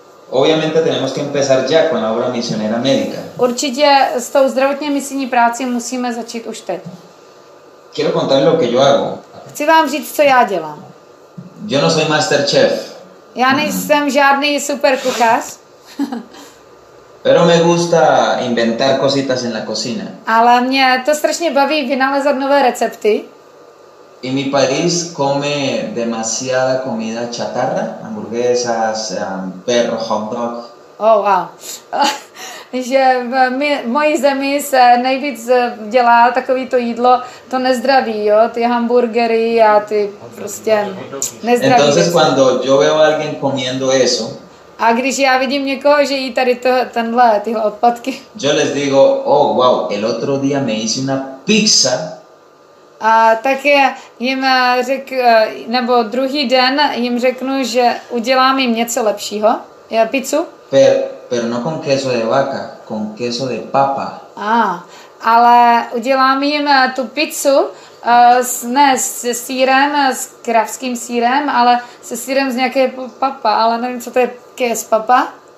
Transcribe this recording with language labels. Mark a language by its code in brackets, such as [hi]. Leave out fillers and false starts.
[es] Obviamente tenemos que empezar ya con la obra misionera médica. [cs] Určitě s tou zdravotně misijní práci musíme začít už teď. [es] Quiero contar lo que yo hago. [cs] Chci vám říct, co já dělám. [es] Yo no soy master chef. [cs] Já nejsem žádný super kuchař. [es] Pero me gusta inventar cositas en la cocina. [cs] Ale mě to strašně baví vynalézat nové recepty. [es] Y mi país come demasiada comida chatarra, hamburguesas, perro, hot dog. Oh, wow. [cs] Že v mojí zemi se nejvíc dělá takový to jídlo, to nezdraví, jo, ty hamburgery a ty prostě nezdraví. [es] Entonces cuando yo veo a alguien comiendo eso, [cs] a když já vidím někoho, že jí tady tyhle odpadky. [es] Yo les digo, oh, wow, el otro día me hice una pizza. [cs] A tak jim nebo druhý den jim řeknu, že udělám jim něco lepšího, pizzu. [es] Pero no con queso de vaca, con queso de papa. [cs] Ale udělám jim tu pizzu ne se sýrem, s kravským sýrem, ale se sýrem z nějaké papa, ale nevím, co to je ques papa.